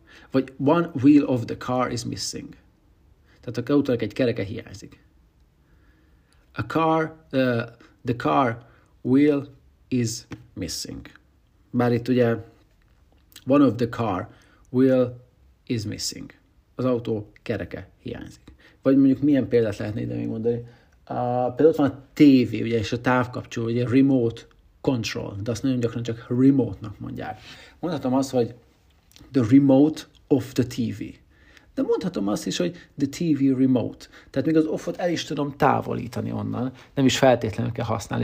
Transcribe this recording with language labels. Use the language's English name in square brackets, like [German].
[Hungarian] Vagy [English] one wheel of the car is missing. [Hungarian] Tehát a autónak egy kereke hiányzik. [English] A car, the car wheel is missing. [Hungarian] Bár itt ugye [English] one of the car wheel is missing. [Hungarian] Az autó kereke hiányzik. Vagy mondjuk milyen példát lehetne ide még mondani. Például ott van a tévé, ugye, és a távkapcsoló, ugye [English] remote control, [Hungarian] de azt nagyon gyakran csak remote-nak mondják. Mondhatom azt, hogy [English] the remote of the TV. [Hungarian] De mondhatom azt is, hogy [English] the TV remote. [Hungarian] Tehát még az off-ot el is tudom távolítani onnan, nem is feltétlenül kell használni.